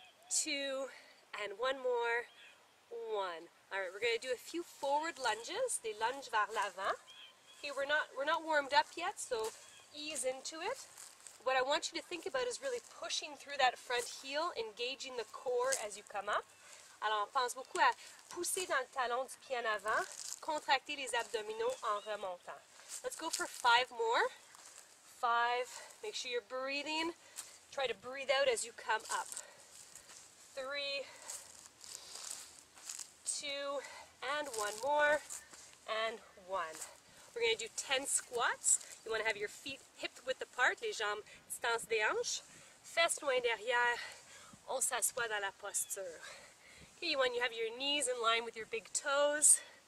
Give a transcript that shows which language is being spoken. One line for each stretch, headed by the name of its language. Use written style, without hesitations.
English: Two, and one more, one. All right, we're gonna do a few forward lunges,
French: des lunges vers l'avant.
English: Okay, we're not warmed up yet, so ease into it. What I want you to think about is really pushing through that front heel, engaging the core as you come up.
French: Alors, on pense beaucoup à pousser dans le talon du pied en avant, contracter les abdominaux en remontant.
English: Let's go for five more. Five. Make sure you're breathing. Try to breathe out as you come up. Three. Two. And one more. And one. We're going to do 10 squats. You want to have your feet hip-width apart,
French: les jambes distance des hanches. Fesses loin derrière, on s'assoit dans la posture.
English: Okay, you want to have your knees in line with your big toes.